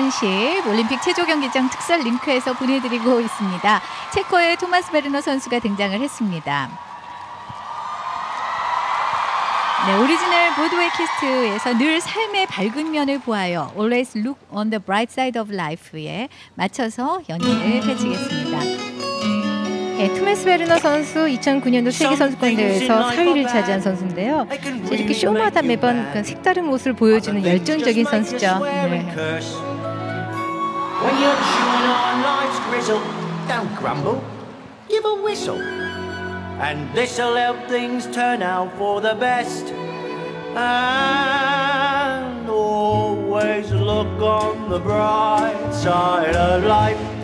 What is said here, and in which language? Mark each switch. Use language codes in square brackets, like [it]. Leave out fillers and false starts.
[ko] 시합 올림픽 체조 경기장 특설 링크에서 보내드리고 있습니다. 체코의 토마스 베르너 선수가 등장을 했습니다. 네, 오리지널 브로드웨이 퀘스트에서 늘 삶의 밝은 면을 보아요. Always look on the bright side of life에 맞춰서 연기를 펼치겠습니다. 네, 토마스 베르너 선수 2009년도 세계선수권대회에서 4위를 차지한 선수인데요. 이렇게 쇼마다 매번 그 색다른 모습을 보여주는 열정적인 선수죠. 네. [en] When you're chewing on life's gristle, don't grumble, give a whistle, and this'll help things turn out for the best. And always look on the bright side of life.